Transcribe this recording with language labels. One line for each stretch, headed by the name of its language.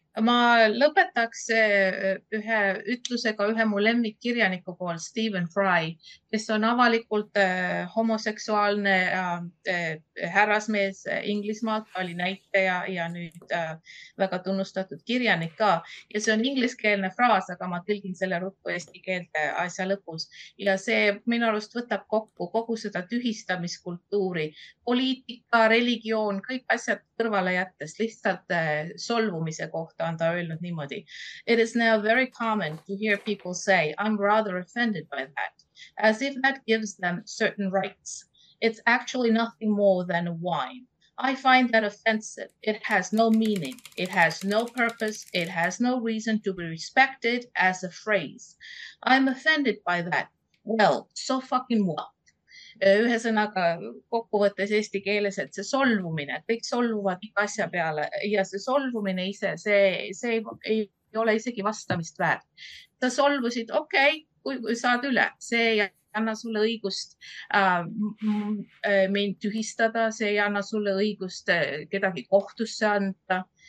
Estonian: Ma lõpetaks ühe ütlusega ühe mu lemmik kirjaniku pool, Stephen Fry, kes on avalikult homoseksuaalne härrasmees Inglismaalt, oli näitaja ja nüüd väga tunnustatud kirjanik ka. Ja see on ingliskeelne fraas, aga ma tõlgin selle ruppu eesti keelte asja lõpus. Ja see minu arust võtab kokku kogu seda tühistamiskultuuri, poliitika, religioon, kõik asjad kõrvale jättes lihtsalt solvumise kohta.
English: It is now very common to hear people say, I'm rather offended by that, as if that gives them certain rights. It's actually nothing more than a whine. I find that offensive. It has no meaning. It has no purpose. It has no reason to be respected as a phrase. I'm offended by that. Well, so fucking what?
Estonian: Ühesõnaga kokkuvõttes eesti keeles, et see solvumine, kõik solvuvad iga asja peale ja see solvumine ise, see ei ole isegi vastamist väärt. Sa solvusid, okei, kui saad üle, see ei anna sulle õigust mind tühistada, see ei anna sulle õigust kedagi kohtusse anda.